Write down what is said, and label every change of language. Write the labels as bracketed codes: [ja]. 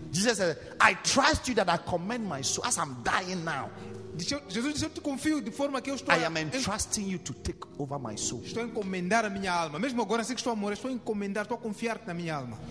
[en] Jesus said, "I trust you that I commend my soul as I'm dying now." [pt] Jesus disse, eu te confio de forma que eu estou. [en] I am entrusting you to take over my soul. [pt] Estou a encomendar a minha alma. Mesmo agora, assim que estou a morrer, estou a encomendar, estou a confiar na minha alma.